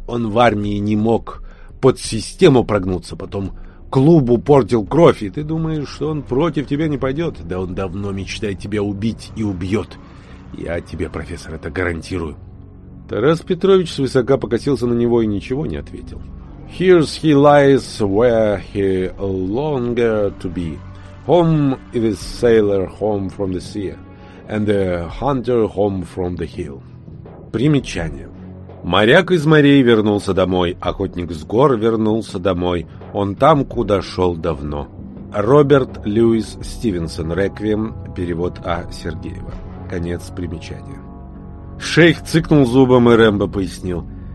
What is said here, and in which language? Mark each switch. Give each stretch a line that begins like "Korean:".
Russian: Он в армии не мог под систему прогнуться, потом клубу портил кровь, и ты думаешь, что он против тебя не пойдет? Да он давно мечтает тебя убить и убьет. Я тебе, профессор, это гарантирую». Тарас Петрович свысока покосился на него и ничего не ответил.
English: «Here's he lies where he longer to be. Home is the sailor home from the sea, and the hunter home from the hill».
Russian: Примечание. Моряк из морей вернулся домой, охотник с гор вернулся домой, он там, куда шел давно. Роберт Льюис Стивенсон, «Реквием», перевод А. Сергеева. Конец примечания. Шейх цыкнул зубом, и Рэмбо пояснил.